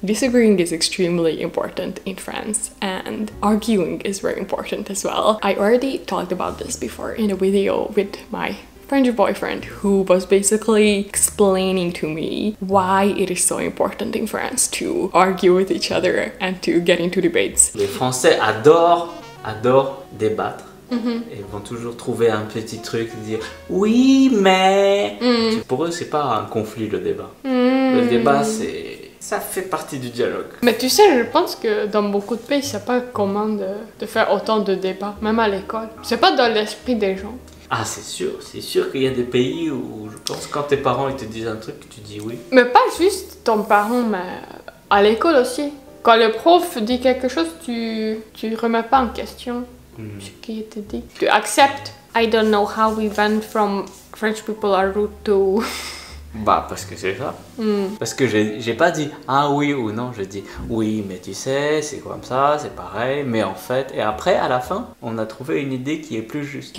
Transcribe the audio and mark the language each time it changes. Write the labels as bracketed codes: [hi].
[en] Disagreeing is extremely important in France, and arguing is very important as well. I already talked about this before in a video with my French boyfriend, who was basically explaining to me why it is so important in France to argue with each other and to get into debates. [fr] Les Français adorent débattre. Mm-hmm. Et ils vont toujours trouver un petit truc, dire oui mais. Mm. Pour eux, c'est pas un conflit le débat. Mm. Le débat, c'est ça fait partie du dialogue. Mais tu sais, je pense que dans beaucoup de pays, c'est pas commun de faire autant de débats, même à l'école. C'est pas dans l'esprit des gens. Ah, c'est sûr qu'il y a des pays où je pense quand tes parents ils te disent un truc, tu dis oui. Mais pas juste ton parent, mais à l'école aussi. Quand le prof dit quelque chose, tu remets pas en question ce qu'il te dit. Tu acceptes. [en] I don't know how we went from French people are rude to... [fr] Bah, parce que c'est ça. Mm. Parce que j'ai pas dit ah oui ou non, je dis oui, mais tu sais, c'est comme ça, c'est pareil, mais en fait. Et après, à la fin, on a trouvé une idée qui est plus juste.